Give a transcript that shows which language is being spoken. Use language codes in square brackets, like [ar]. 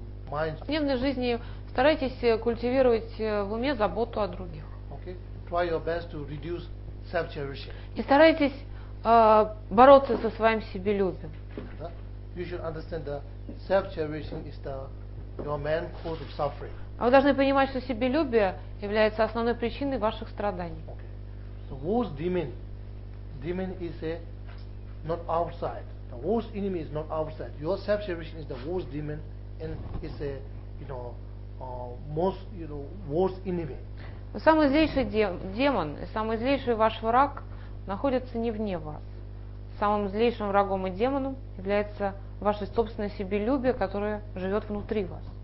[ru] в дневной жизни старайтесь культивировать в уме заботу о других. [en] Try your best to reduce self-cherishing. [ru] И старайтесь бороться со своим себелюбием. [en] You should understand that self-cherishing is the your main cause of suffering. [ru] А вы должны понимать, что себелюбие является основной причиной ваших страданий. [en] The worst demon, is a not outside. The worst enemy is not outside. Your self-cherishing is the worst demon, and it's a, you know, most, you know, worst enemy. [ru] Самый злейший демон, самый злейший ваш враг находится не вне вас. Самым злейшим врагом и демоном является ваше собственное себелюбие, которое живет внутри вас.